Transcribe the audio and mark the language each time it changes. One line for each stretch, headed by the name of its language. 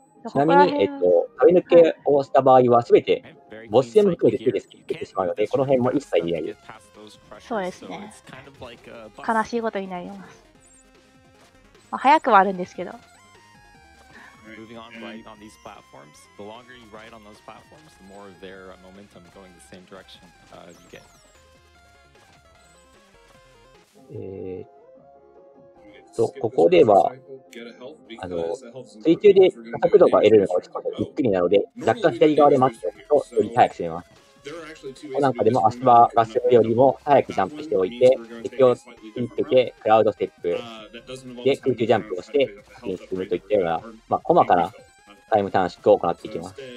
Japanese: ちなみに、壁抜けをした場合は全てボス戦も含めて全てスキップしてしまうので、この辺も一切見ないです。そうですね、悲しいことになります。まあ、早くはあるんですけど。
English: Moving on right on these platforms, the longer you ride on those platforms, the more of their momentum going the same direction you get.
Japanese: ここでは、水中で加速度が得るのが落ちることがゆっくりなので、若干左側で待っておくとより速く進めます。なんかでも足場が進むよりも早くジャンプしておいて、敵を引っ掛けクラウドステップで空中ジャンプをして進むといったような、まあ、細かなタイム短縮を行っていきます。